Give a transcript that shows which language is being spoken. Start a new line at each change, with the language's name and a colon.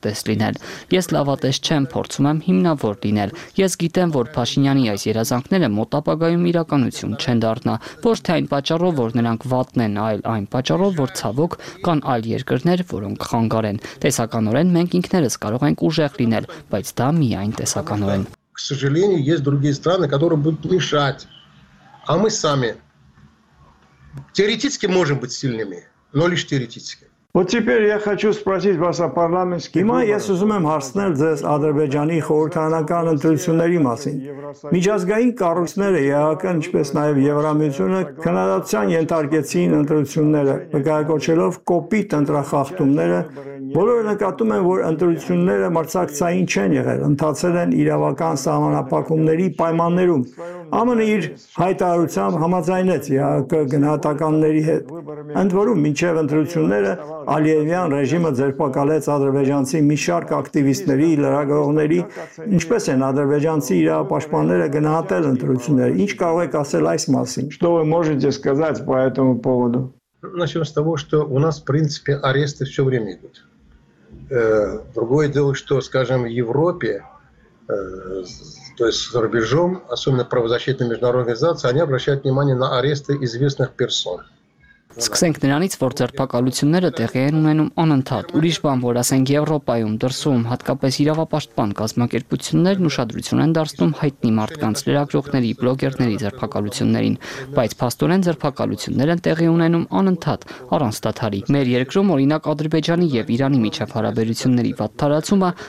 Armenian: լինել։ Ես լավատես չեմ, փորձում եմ հիմնավոր լինել։ Ես գիտեմ, որ Փաշինյանի այս երազանքները մոտ ապագայում իրականություն չեն դառնա, ոչ թե այն պատճառով, որ նրանք վատն են, այլ այն պատճառով, որ ցավոք կան այլ երկրներ, որոնք խանգարեն։ Տեսականորեն մենք ինքներս կարող ենք ուժեղ լինել, բայց դա միայն տեսականորեն։
Russian: К сожалению, есть другие страны, которые будут мешать. А мы сами теоретически можем быть сильными, но лишь теоретически. Вот теперь я хочу спросить вас о парламентских выборах.
Armenian: Հիմա ես ուզում եմ հարցնել ձեզ Ադրբեջանի խորհրդանական ընտրությունների մասին։ Միջազգային կառույցները, ԵԱԿ, ինչպես նաև Եվրամիությունը, քննադատության ենթարկեցին ընտրությունները, նկարագրելով կոպիտ ընտրախախտումները։ Բոլորը նկատում են, որ ընտրությունները մրցակցային չեն եղել, ընթացել են իրավական սահմանափակումների պայմաններում։ ԱՄՆ-ը իր հայտարարությամբ համաձայնեց ԵԱԿ գնահատականների հետ։ Ընդ որում, մինչև ընտրությունները Ալիևյան ռեժիմը ձերբակալեց ադրբեջանցի մի շարք ակտիվիստների, լրագրողների, ինչպես են ադրբեջանցի իրավապաշտպանները գնահատել ընտրությունները։ Ինչ կարող եք ասել այս մասին։
Russian: Что вы можете сказать по этому поводу? Начнем с того, что у нас, в принципе, аресты все время идут. Другое дело, что, скажем, в Европе, то есть за рубежом, особенно правозащитные международные организации, они обращают внимание на аресты известных персон.
Armenian: Սկսենք նրանից, որ ձերբակալությունները տեղի են ունենում անընդհատ։ Ուրիշ բան, որ ասենք Եվրոպայում, դրսում, հատկապես իրավապաշտպան կազմակերպություններն ուշադրություն են դարձնում հայտնի մարդկանց, լրագրողների, բլոգերների ձերբակալություններին, բայց փաստորեն ձերբակալությունները տեղի ունենում անընդհատ, առանց դադարի։ Մեր երկրում, օրինակ, Ադրբեջանի և Իրանի միջև հարաբերությունների վատ տարածումը